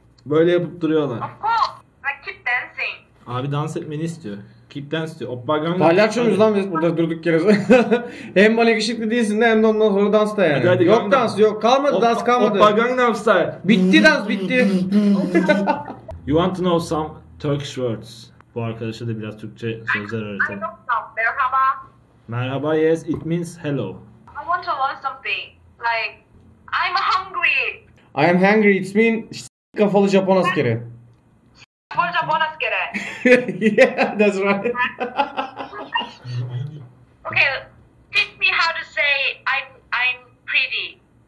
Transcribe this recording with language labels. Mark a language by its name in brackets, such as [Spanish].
[Turkish] Böyle yapıp duruyorlar. [English] Of course. Like keep dancing. [Turkish] Abi dans etmeni istiyor. [English] Keep dance [Turkish] diyor. Oppa gang. Palyaçoyuz lan biz burada durduk yere. Hem bana yakışıklı değilsin de hem de ondan sonra dans da yani. Hadi, hadi, yok gang dans yok. Kalmadı dans kalmadı. Oppa gang ne yapsa. Bitti dans bitti. [English] You want to know some Turkish words. [Turkish] Bu arkadaşa da biraz Türkçe sözler öğretelim. [English] I know some. Merhaba. Merhaba yes. It means hello. I want to learn something. Like I'm hungry. I am hungry. It means... [Turkish] Kafalı Japon askeri. Kafalı Japon askeri. [English] Yeah, that's right. Okay, teach me how to say I'm pretty.